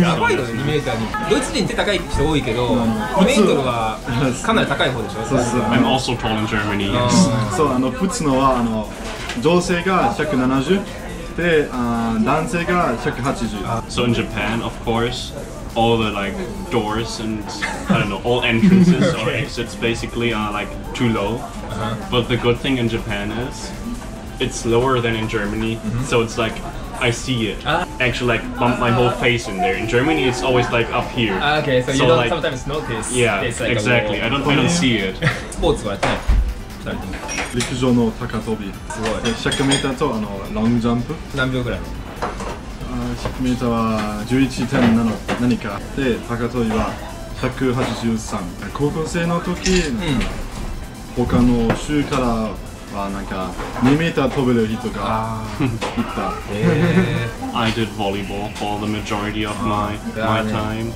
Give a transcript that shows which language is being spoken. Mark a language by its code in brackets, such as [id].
[ja] やばいよね、2メーターに。ドイツ人って高い人多いけど、2メートルはかなり高い方でしょ。そうそう。 [en] I'm also tall in Germany. [ja] そう、プツノは女性が170で、男性が180。 [en] So in Japan, of course, all the like doors and all entrances or exits basically are like too low. But the good thing in Japan is it's lower than in Germany, so it's like. I see it. Actually, like, bump my whole face in there. In Germany, it's always like up here. Okay, so you don't like, sometimes notice. Yeah, it's like exactly. I don't see it. Sports, what? [ja] Like, 陸上の高跳び。すごい。 100メーターとロングジャンプ。何秒ぐらい？ 100メーターは 11.7 何か。で、高跳びは183。高校生の時、他の州から。 2メーター飛べる人がいた。 [en] I did volleyball for the majority of my time.